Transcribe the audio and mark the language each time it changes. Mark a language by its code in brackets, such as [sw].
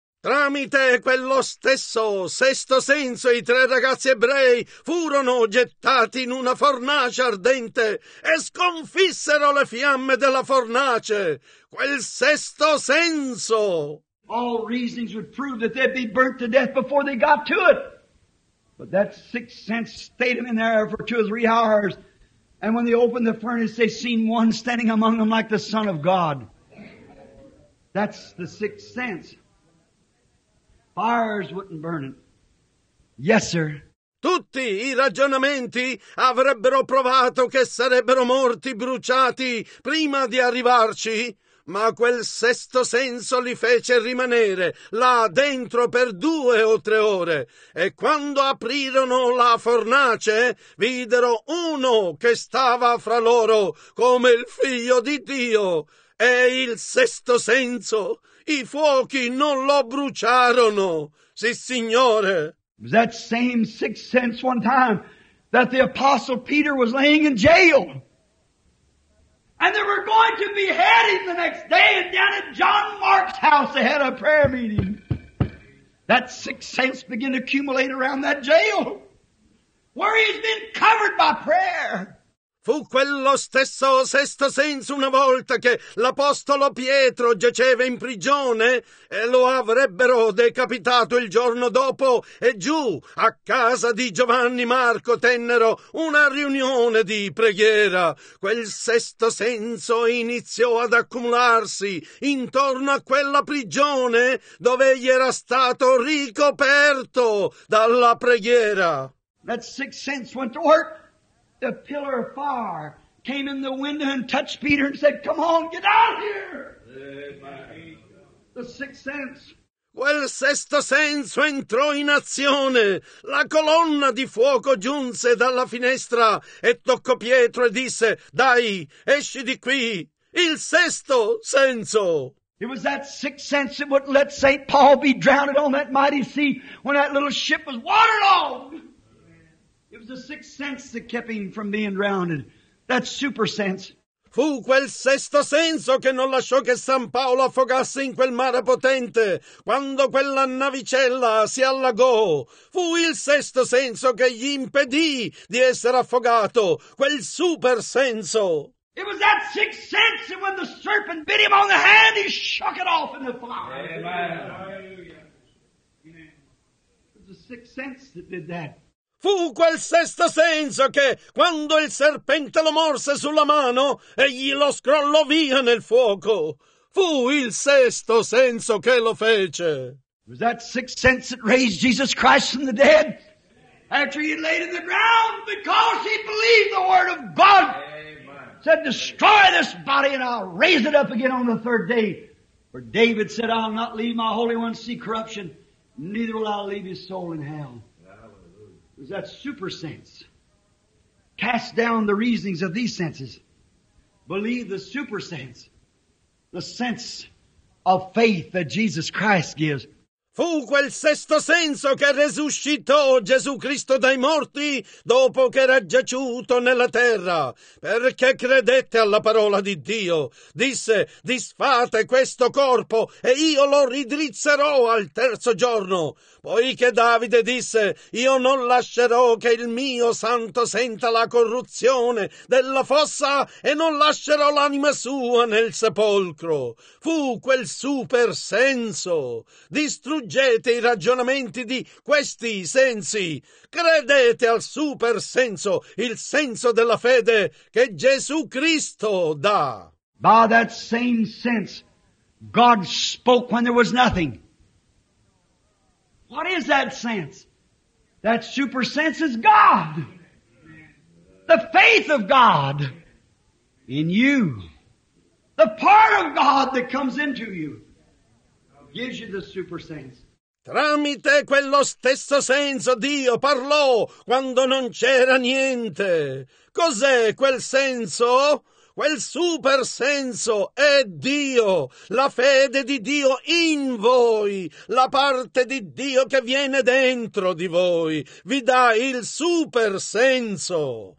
[it] Tramite quello stesso sesto senso, i tre ragazzi ebrei furono gettati in una fornace ardente e sconfissero le fiamme della fornace. Quel sesto senso! [en] All reasonings would prove that they'd be burnt to death before they got to it. But that sixth sense stayed them in there for two or three hours. And when they opened the furnace, they seen one standing among them like the Son of God. That's the sixth sense. Fires wouldn't burn it. Yes, sir. [it] Tutti i ragionamenti avrebbero provato che sarebbero morti bruciati prima di arrivarci, ma quel sesto senso li fece rimanere là dentro per due o tre ore. E quando aprirono la fornace, videro uno che stava fra loro come il Figlio di Dio. E il sesto senso, i fuochi non lo bruciarono, sì signore. [en] That same sixth sense one time that the Apostle Peter was laying in jail. And they were going to behead him the next day and down at John Mark's house they had a prayer meeting. That sixth sense began to accumulate around that jail where he's been covered by prayer. [it] Fu quello stesso sesto senso una volta che l'apostolo Pietro giaceva in prigione e lo avrebbero decapitato il giorno dopo e giù a casa di Giovanni Marco tennero una riunione di preghiera. Quel sesto senso iniziò ad accumularsi intorno a quella prigione dove egli era stato ricoperto dalla preghiera. [en] That sixth sense went to work. The pillar of fire came in the window and touched Peter and said, come on, get out of here! The sixth sense. [it] Quel sesto senso entrò in azione. La colonna di fuoco giunse dalla finestra e toccò Pietro e disse, dai, esci di qui. Il sesto senso. [en] It was that sixth sense that wouldn't let St. Paul be drowned on that mighty sea when that little ship was waterlogged. It was the sixth sense that kept him from being drowned. That super sense. [it] Fu quel sesto senso che non lasciò che San Paolo affogasse in quel mare potente quando quella navicella si allagò. Fu il sesto senso che gli impedì di essere affogato. Quel super senso. [en] It was that sixth sense that when the serpent bit him on the hand, he shook it off in the fire. Amen. It was the sixth sense that did that. [it] Fu quel sesto senso che, quando il serpente lo morse sulla mano, egli lo scrollò via nel fuoco. Fu il sesto senso che lo fece. [en] Was that sixth sense that raised Jesus Christ from the dead? After he laid in the ground because he believed the word of God. Amen. Said, destroy this body and I'll raise it up again on the third day. For David said, I'll not leave my Holy One see corruption, neither will I leave his soul in hell. Hallelujah. Is that super sense? Cast down the reasonings of these senses. Believe the super sense. The sense of faith that Jesus Christ gives. [it] Fu quel sesto senso che resuscitò Gesù Cristo dai morti dopo che era giaciuto nella terra, perché credette alla parola di Dio. Disse, disfate questo corpo e io lo ridrizzerò al terzo giorno. Poiché Davide disse, io non lascerò che il mio santo senta la corruzione della fossa e non lascerò l'anima sua nel sepolcro. Fu quel super senso. Distruggete i ragionamenti di questi sensi. Credete al super senso, il senso della fede che Gesù Cristo dà. [en] By that same sense, God spoke when there was nothing. What is that sense? That super sense is God. The faith of God in you. The part of God that comes into you gives you the super sense. [it] Tramite quello stesso senso Dio parlò quando non c'era niente. Cos'è quel senso? Quel super senso è Dio, la fede di Dio in voi, la parte di Dio che viene dentro di voi, vi dà il super senso.